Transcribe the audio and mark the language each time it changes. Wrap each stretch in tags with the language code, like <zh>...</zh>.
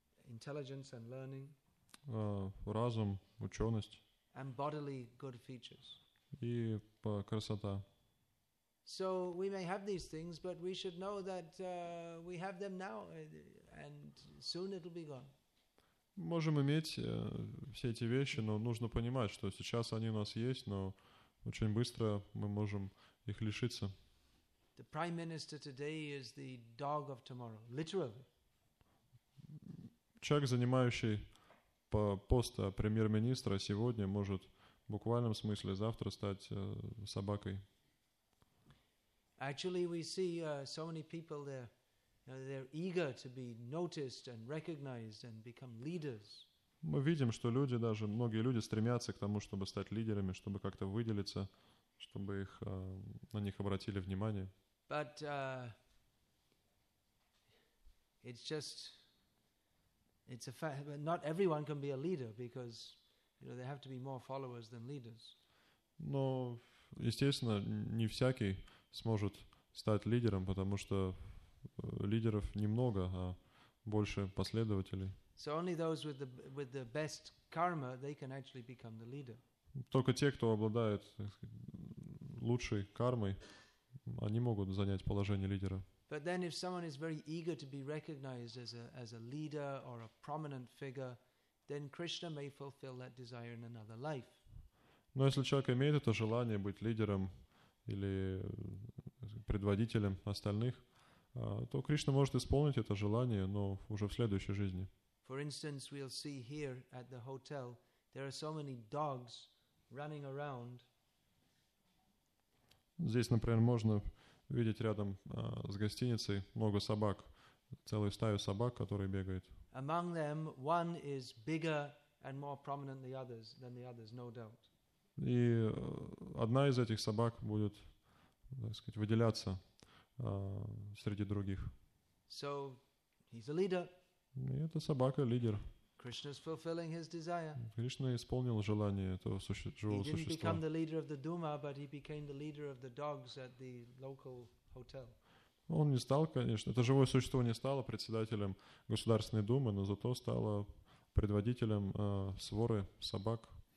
<en>Intelligence and learning.</en> <ru>Разум, ученость.</ru> <en>And bodily good features.</en> <ru>И красота.</ru> <en>So we may have these things, but we should know that we have them now, and soon it'll be gone.</en> <ru>Можем иметь все эти вещи, но нужно понимать, что сейчас они у нас есть, но очень быстро мы можем их лишиться.</ru> <en>The prime minister today is the dog of tomorrow, literally.</en> <ru>Человек, занимающий пост премьер-министра, сегодня может в буквальном смысле завтра стать собакой.</ru> <en>Actually, we see so many people there. They're eager to be noticed and recognized and become leaders.</en> <ru>Мы видим, что люди, даже многие люди, стремятся к тому, чтобы стать лидерами, чтобы как-то выделиться, чтобы их на них обратили внимание.</ru> <en>But it's a fact. But not everyone can be a leader because, you know, there have to be more followers than leaders.</en> <ru>Но, естественно, не всякий сможет стать лидером, потому что лидеров немного, а больше последователей.</ru> <en>So only those with the best karma, they can actually become the leader.</en> <ru>Только те, кто обладает лучшей кармой, они могут занять положение лидера.</ru> <en>But then if someone is very eager to be recognized as a leader or a prominent figure, then Krishna may fulfill that desire in another life.</en> <ru>Но если человек имеет это желание быть лидером или предводителем остальных, то Кришна может исполнить это желание, но уже в следующей жизни.</ru> <en>For instance, we'll see here at the hotel, there are so many dogs running around.</en> <ru>Здесь, например, можно видеть рядом с гостиницей много собак, целую стаю собак, которые бегают.</ru> <en>Among them, one is bigger and more prominent than the others, no doubt.</en> <ru>И одна из этих собак будет, так сказать, выделяться среди других.</ru> <en>So he's a leader.</en> <ru>И эта собака – лидер.</ru> <en>Krishna's fulfilling his desire.</en> <ru>Кришна исполнил желание этого живого существа.</ru> <en>He didn't become the leader of the Duma, but he became the leader of the dogs at the local hotel.</en> <ru>Он не стал, конечно, это живое существо не стало председателем Государственной Думы, но зато стало предводителем своры собак.</ru>